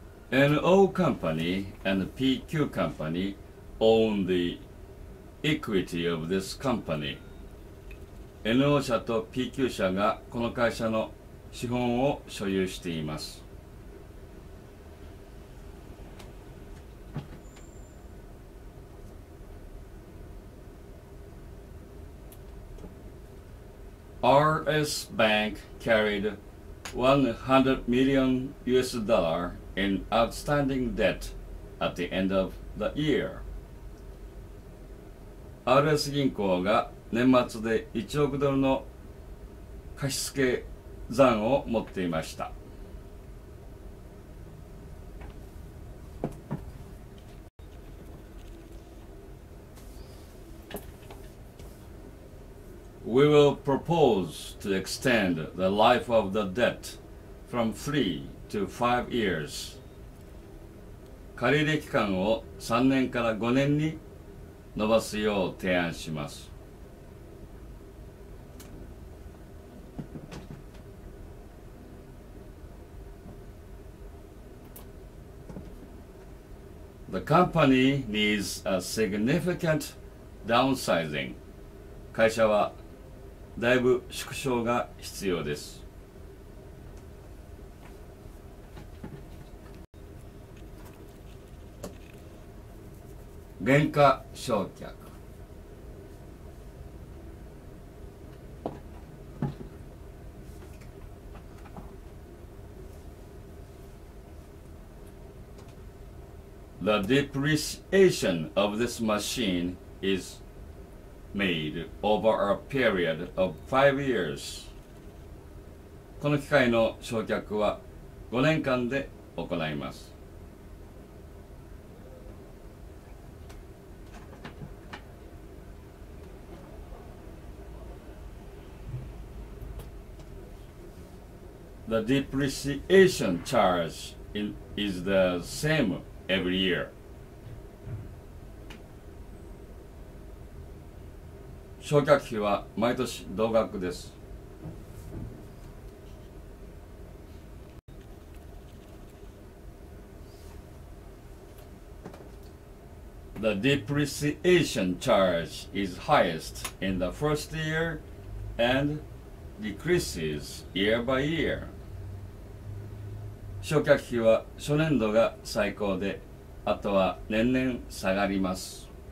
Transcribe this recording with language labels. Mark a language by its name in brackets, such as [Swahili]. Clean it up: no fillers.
[English] NO company and PQ company own the equity of this company. [Japanese] NO 社と PQ 社がこの会社の資本を所有しています。 [English] RS Bank carried 100 million US dollar in outstanding debt at the end of the year. [Japanese] RS 銀行が年末で1億ドルの貸付残を持っていました。 [English] We will propose to extend the life of the debt from 3 to 5 years. [Japanese] 借入期間を3年から5年に伸ばすよう提案します。 [English] The company needs a significant downsizing. [Japanese] 会社はだいぶ縮小が必要です。原価償却。 [English] The depreciation of this machine is made over a period of 5 years. [Japanese] この機械の償却は5年間で行います。 [English] The depreciation charge is the same. Every year. [Japanese] 償却費は毎年同額です。 [English] The depreciation charge is highest in the first year and decreases year by year. [Japanese] 償却費は初年度が最高で、あとは年々下がります。